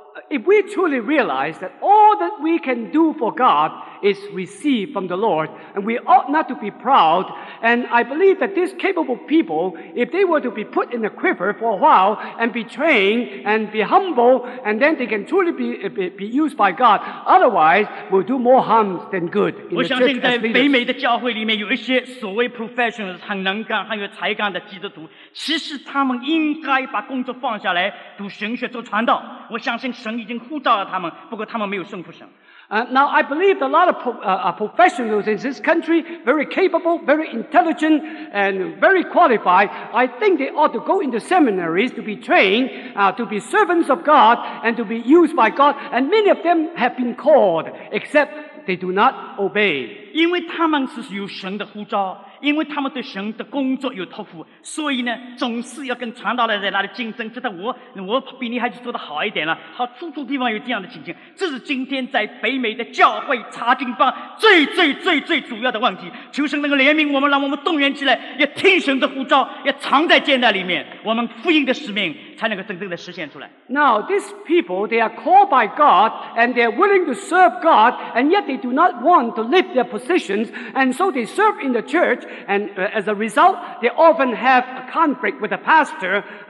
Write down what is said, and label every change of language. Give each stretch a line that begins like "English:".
English: If we truly realize that all that we can do for God is received from the Lord, and we ought not to be proud, and I believe that these capable people, if they were to be put in the quiver for a while and be trained and be humble, and then they can truly be used by God, otherwise we'll do more harm than good in the church as leaders.
Chinese: 我相信在北美的教会里面有一些所谓 professionals 很能干、很有才干的基督徒，其实他们应该把工作放下来读神学、做传道。我相信神已经呼召了他们，不过他们没有顺服神。
English: Now I believe a lot of professionals in this country, very capable, very intelligent, and very qualified. I think they ought to go into seminaries to be trained, to be servants of God, and to be used by God. And many of them have been called, except they do not obey.
Chinese: 因为他们是有神的呼召。因为他们对神的工作有托付，所以呢，总是要跟传道人在那里竞争，觉得我比你还是做得好一点了。好，处处地方有这样的情形，这是今天在北美的教会查经班最最最最主要的问题。求神能够怜悯我们，让我们动员起来，要听神的呼召，要藏在现代里面，我们福音的使命才能够真正的实现出来。
English: Now these people they are called by God and they are willing to serve God and yet they do not want to leave their positions and so they serve in the church. And as a result, they often have a conflict with the pastor.